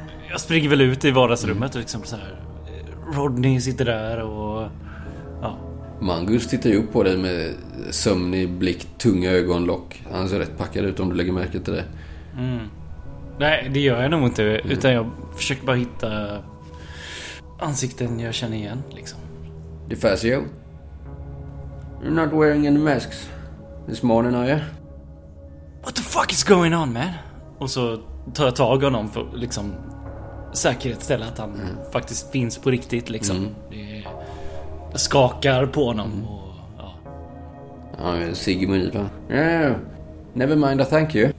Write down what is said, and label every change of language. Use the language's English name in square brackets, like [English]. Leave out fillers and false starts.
[Swedish] Jag springer väl ut i vardagsrummet och liksom så här. Rodney sitter där och ja. Mangus tittar ju upp på dig med sömnig blick, tunga ögonlock. Han ser rätt packad ut om du lägger märke till det. Nej, det gör jag nog inte utan jag försöker bara hitta ansikten jag känner igen liksom. [English] DeFazio, you're not wearing any masks this morning, are you? What the fuck is going on, man? [Swedish] Och så tar jag tag i honom för att liksom säkerhetsställa att han faktiskt finns på riktigt liksom. Jag skakar på honom och ja. Ja, Sigmund, va? [English] Never mind, I thank you.